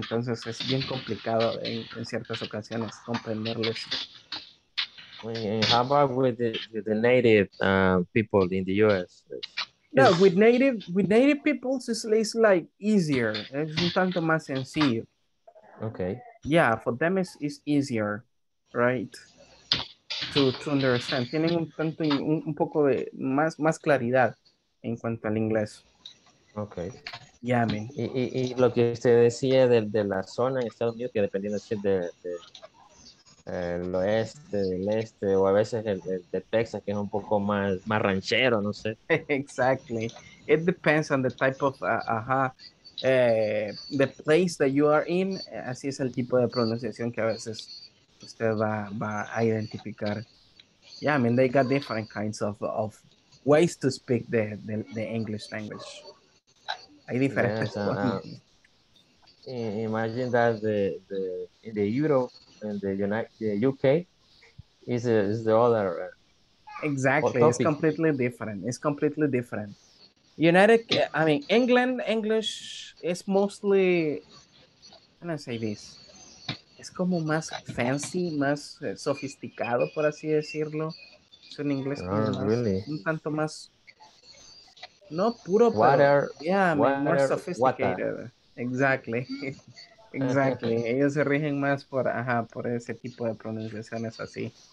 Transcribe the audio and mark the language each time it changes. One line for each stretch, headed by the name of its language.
Spanish: Entonces es bien complicado en ciertas ocasiones comprenderles.
English: How about with the native people in the U.S.? No, with native people, it's like easier.
Spanish: Es un tanto más sencillo.
English: Okay. Yeah, for them it's easier, right? To understand.
Spanish: Tienen un poco de más claridad en cuanto al inglés.
English: Okay. Yeah, man.
Spanish: Y lo que usted decía de la zona en Estados Unidos, que dependiendo si es de el oeste, del este, o a veces el de Texas, que es un poco más ranchero, no sé.
English: Exactly. It depends on the type of, the place that you are in.
Spanish: Así es el tipo de pronunciación que a veces usted va a identificar.
English: Yeah, I mean, they got different kinds of ways to speak the English language.
Spanish: Hay diferentes formas.
English: Imagine that the Europe and the United the UK is the other. Exactly, topic. It's completely different. It's completely different. England English is mostly, how do I say this?
Spanish: Es como más fancy, más sofisticado, por así decirlo. Es un inglés un tanto más, no puro,
English: more sophisticated. Water. Exactly. Exactly.
Spanish: Ellos se rigen más por ese tipo de pronunciaciones así.